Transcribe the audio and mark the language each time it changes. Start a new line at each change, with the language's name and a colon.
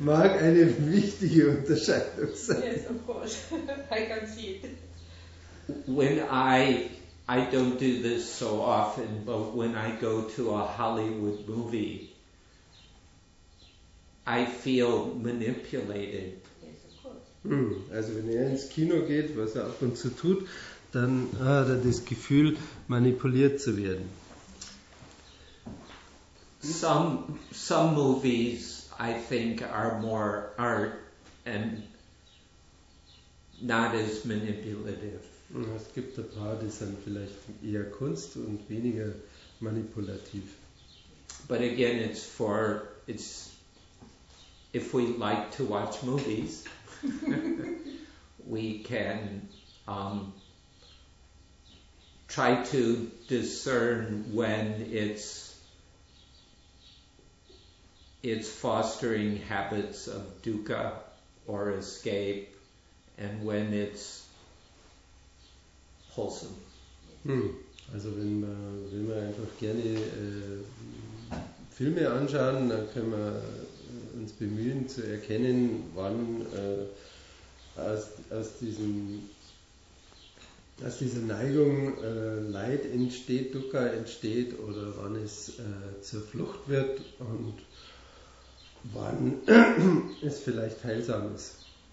German: Mag eine wichtige Unterscheidung sein.
English: Yes, of course. I can see it. When I don't do this so often, but when I go to a Hollywood movie, I feel manipulated. Yes, of course.
German: Also wenn ins Kino geht, was ab und zu tut, dann hat das Gefühl, manipuliert zu werden.
English: Some movies, I think, are more art and not as manipulative.
German: Es gibt ein paar, die sind vielleicht eher Kunst und weniger manipulativ.
English: But again, it's if we like to watch movies, we can try to discern when it's fostering habits of dukkha or escape, and when it's wholesome.
German: Also wenn man einfach gerne Filme anschauen, dann können wir uns bemühen zu erkennen, wann aus dieser Neigung Leid entsteht, dukkha entsteht, oder wann es zur Flucht wird und wann es vielleicht heilsam ist.